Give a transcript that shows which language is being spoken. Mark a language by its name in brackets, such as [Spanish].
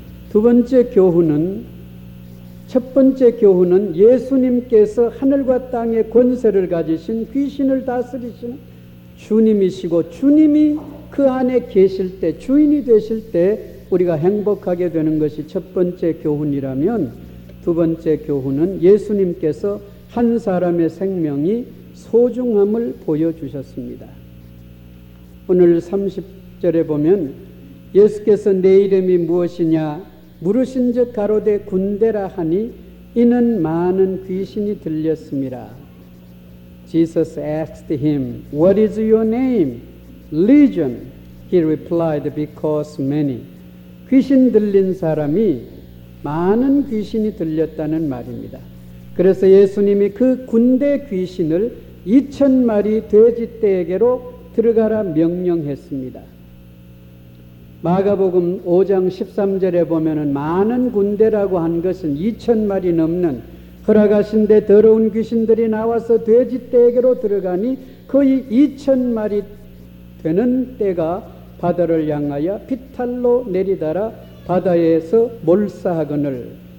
[Korean] 두 번째 교훈은, 첫 번째 교훈은 예수님께서 하늘과 땅의 권세를 가지신 귀신을 다스리신 주님이시고 주님이 그 안에 계실 때, 주인이 되실 때 우리가 행복하게 되는 것이 첫 번째 교훈이라면, 두 번째 교훈은 예수님께서 한 사람의 생명이 소중함을 보여주셨습니다. 오늘 30절에 보면 예수께서 내 이름이 무엇이냐 물으신 즉 가로대 군대라 하니 이는 많은 귀신이 들렸습니다. [English] Jesus asked him, What is your name? Legion. He replied, Because many. [Korean] 귀신 들린 사람이 많은 귀신이 들렸다는 말입니다. 그래서 예수님이 그 군대 귀신을 2,000마리 돼지떼에게로 들어가라 명령했습니다. 마가복음 5장 13절에 보면은 많은 군대라고 한 것은 2,000마리 넘는, 허락하신 데 더러운 귀신들이 나와서 돼지떼에게로 들어가니 거의 2,000마리 되는 떼가 바다를 향하여 피탈로 내리다라 바다에서 몰사하거늘.